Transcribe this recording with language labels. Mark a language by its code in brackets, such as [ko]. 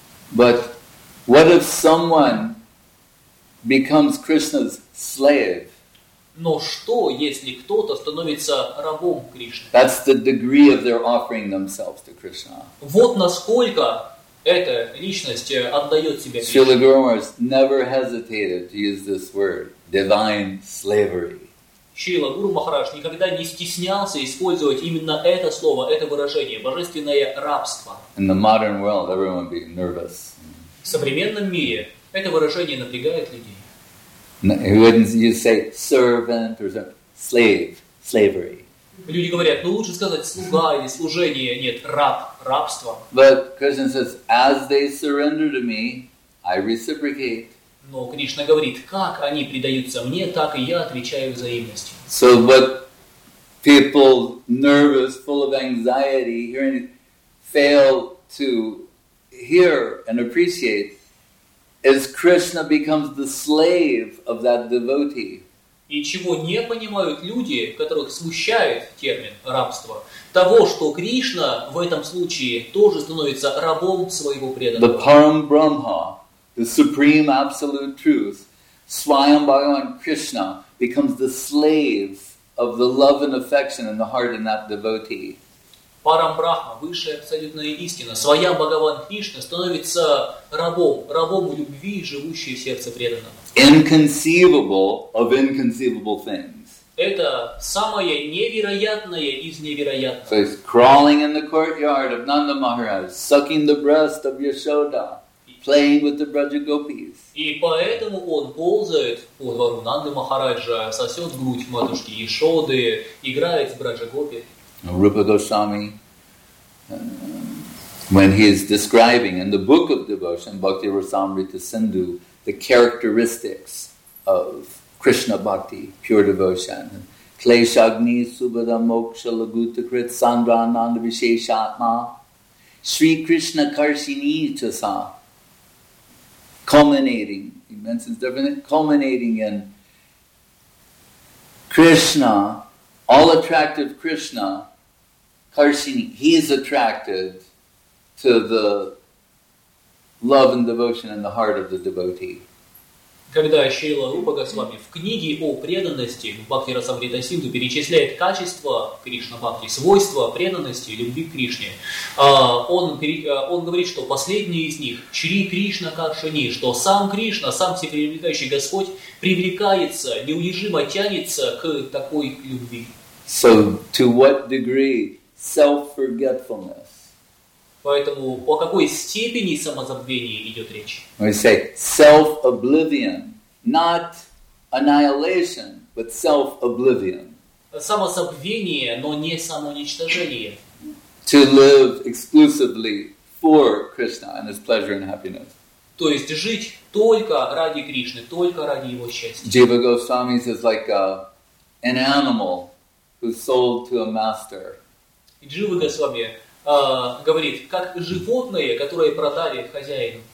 [en] But what if someone becomes Krishna's slave? [ru] Но что, если кто-то становится рабом Кришны? [en] That's the degree of their offering themselves to Krishna. [ru] Вот насколько эта личность отдает себя Кришне. [en] Srila Guru Maharaj never hesitated to use this word, divine slavery. [ru] Шрила Гуру Махарадж никогда не стеснялся использовать именно это слово, это выражение, божественное рабство. [en] In the modern world, everyone would be nervous. [ru] В современном мире это выражение напрягает людей. [en] He wouldn't you say servant or slave, slavery. [ru] Люди говорят, ну лучше сказать слуга или служение, нет, раб, рабство. [en] But Krishna says, as they surrender to me, I reciprocate. [ru] Но Кришна говорит, как они предаются мне, так и я отвечаю взаимностью. [en] So what people nervous, full of anxiety, hearing, fail to hear and appreciate, is Krishna becomes the slave of that devotee. [ru] И чего не понимают люди, которых смущает термин рабство, того, что Кришна в этом случае тоже становится рабом своего преданного. [en] The Param Brahma, the Supreme Absolute Truth, Swayam Bhagavan Krishna, becomes the slave of the love and affection in the heart of that devotee. [ru] Param Brahma, высшая абсолютная истина, Swayam Bhagavan Krishna, становится рабом, рабом любви, живущей в сердце преданного. [en] Inconceivable of inconceivable things. [ru] Это самое невероятное из невероятного. [en] So he's crawling in the courtyard of Nanda Maharaj, sucking the breast of Yashoda, playing with the Braja Gopis. [ru] И поэтому он ползает по двору Нанды Махараджа, сосет грудь матушки Ишоды, играет с Браджа Гопи. [en] Rupa Goswami, when he is describing in the book of devotion, Bhakti Rasamrita Sindhu, the characteristics of Krishna Bhakti, pure devotion, [sa] Kleshagni Subhada Moksha Laguta Krit Sandra Ananda Visheshatma, Sri Krishna Karshini Chasa, [en] culminating, he mentions definitely, culminating in Krishna, all attractive Krishna, Karshini, he is attracted to the love and devotion in the heart of the devotee. [ru] Когда Шрила Рупа Госвами в книге о преданности в Бхакти Расамрита Синдху перечисляет качества Кришна Бхакти, свойства преданности и любви к Кришне, он говорит, что последний из них – Шри Кришна Каршини, что сам Кришна, сам всепривлекающий Господь привлекается, неудержимо тянется к такой любви. [en] So, to what degree self-forgetfulness? [ru] Поэтому о какой степени самозабвения идет речь? [en] We say self-oblivion, not annihilation, but self-oblivion. [ru] Самозабвение, но не самоуничтожение. [en] To live exclusively for Krishna and His pleasure and happiness. [ru] То есть жить только ради Кришны, только ради Его счастья. [en] Jiva Goswami says like an animal who's sold to a master. [ru] Jiva Goswami говорит, как животные, которые продали хозяину.